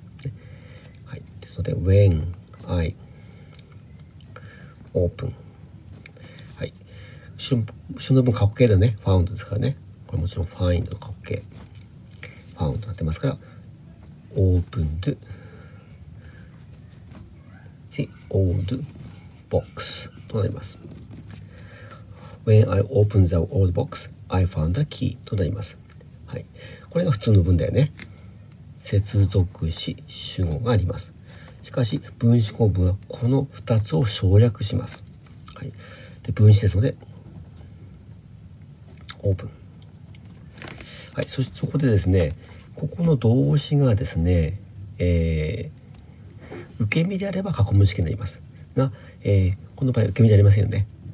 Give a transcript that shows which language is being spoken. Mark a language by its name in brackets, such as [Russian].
[Japanese] ね、はい、ですので、 [English] when I open、 [Japanese] はい、後ろの分過去形だね、found ですからね、これもちろん find の過去形、found になってますから、 [English] opened the oldBox [Japanese] となります。 [English] When I opened the old box, I found a key [Japanese] となります。はい、これが普通の文だよね。接続詞、主語があります。しかし分子構文はこの2つを省略します。はい、で分子ですので Open。はい、そしてそこでですね、ここの動詞がですね、受け身であれば過去分詞形になりますが、この場合受け身じゃありませんよね。